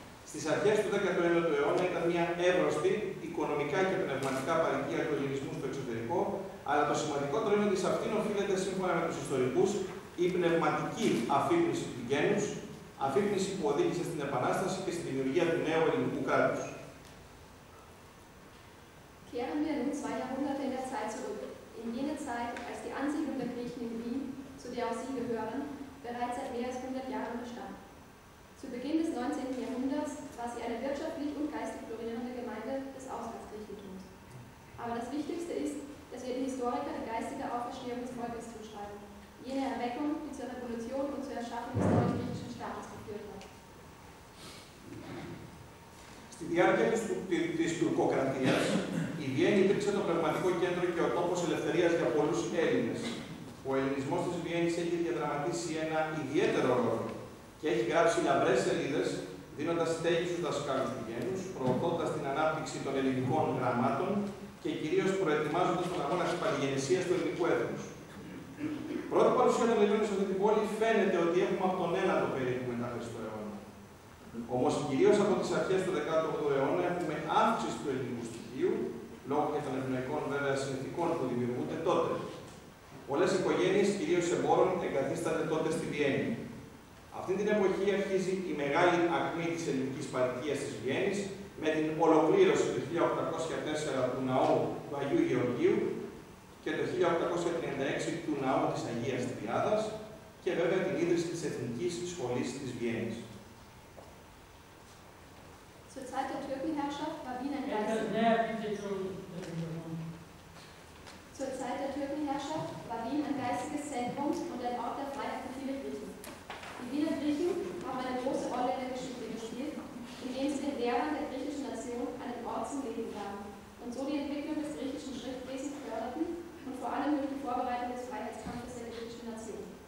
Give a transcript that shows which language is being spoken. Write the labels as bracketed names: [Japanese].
[Greek] Στις αρχές του 19ου αιώνα ήταν μια εύρωστη οικονομικά και πνευματικά παροικία του ελληνισμού στο εξωτερικό, αλλά το σημαντικότερο είναι ότι σε αυτήν οφείλεται, σύμφωνα με τους ιστορικούς, η πνευματική αφύπνιση του γένους, αφύπνιση που οδήγησε στην Επανάσταση και στη δημιουργία του νέου ελληνικού κράτους. [German] Kehren wir nun zwei Jahrhunderte in der Zeit zurück, in jene Zeit, als die Ansiedlung der Griechen in Wien, zu der auch Sie gehören, bereits seit mehr als 100 Jahren bestand. Zu Beginn des 19. Jahrhunderts war sie eine wirtschaftlich und geistig florierende Gemeinde des Auslandsgriechentums. Aber das Wichtigste ist, dass wir den Historiker die geistige Auferstehung des Volkes zuschreiben, jene Erweckung, die zur Revolution und zur Erschaffung des neuen griechischen Staates geführt hat. [Greek] Στη διάρκεια της Τουρκοκρατίας, η Βιέννη υπήρξε το πνευματικό κέντρο και ο τόπος ελευθερίας για πολλούς Έλληνες. Ο ελληνισμός της Βιέννης έχει διαδραματίσει ένα ιδιαίτερο ρόλο και έχει γράψει λαμπρές σελίδες, δίνοντας στέγη στους δασκάλους του γένους, προωθώντας την ανάπτυξη των ελληνικών γραμμάτων και κυρίως προετοιμάζοντας τον αγώνα της παλιγενεσίας του ελληνικού έθνους. Πρώτη παρουσία των Ελλήνων σε αυτή την πόλη φαίνεται ότι έχουμε από τον ένα το περίπου μετά Χριστό. Όμως κυρίως από τις αρχές του 18ου αιώνα έχουμε αύξηση του ελληνικού στοιχείου, λόγω και των εμπνευμαϊκών βέβαια συνθηκών που δημιουργούνται τότε. Πολλές οικογένειες, κυρίως εμπόρων, εγκαθίστανται τότε στη Βιέννη. Αυτή την εποχή αρχίζει η μεγάλη ακμή της ελληνικής παροικίας της Βιέννης, με την ολοκλήρωση του 1804 του ναού του Αγίου Γεωργίου και το 1836 του ναού της Αγίας Τριάδας και βέβαια την ίδρυση της Εθνικής Σχολής της Βιέννης. [German] Zur Zeit der Türkenherrschaft war Wien ein geistiges Zentrum und ein Ort der Freiheit für viele Griechen. Die Wiener Griechen haben eine große Rolle in der Geschichte gespielt, indem sie den Lehrern der griechischen Nation einen Ort zum Leben gaben und so die Entwicklung des griechischen Schriftwesens förderten und vor allem durch die Vorbereitung des Freiheitskampfes der griechischen Nation.